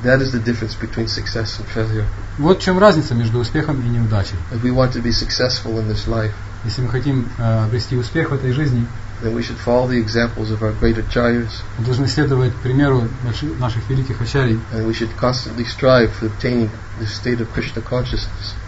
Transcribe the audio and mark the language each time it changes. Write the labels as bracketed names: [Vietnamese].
[English] That is the difference between success and failure. [Russian] Вот в чем разница между успехом и неудачей. [English] If we want to be successful in this life, [Russian] если мы хотим обрести успех в этой жизни, [English] then we should follow the examples of our great acharyas. [Russian] Мы должны следовать примеру наших великих ачарий. [English] And we should constantly strive for obtaining the state of Krishna consciousness.